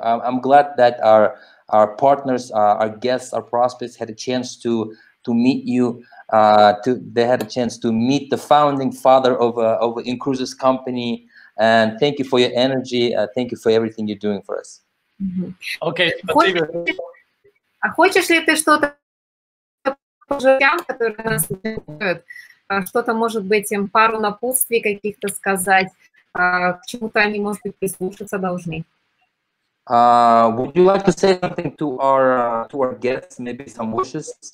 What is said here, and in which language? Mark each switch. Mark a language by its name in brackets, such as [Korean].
[English] I'm glad that our partners, our guests, our prospects had a chance to meet you. They had a chance to meet the founding father of Incruises company. And thank you for your energy. Thank you for everything you're doing for us. Mm-hmm. Okay. [Russian] Хочешь ли ты что-то? Которые нас слушают, что-то, может быть, им пару напутствий каких-то сказать, к чему-то они, может быть, прислушаться должны. [English] Would you like to say something to our guests, maybe some wishes?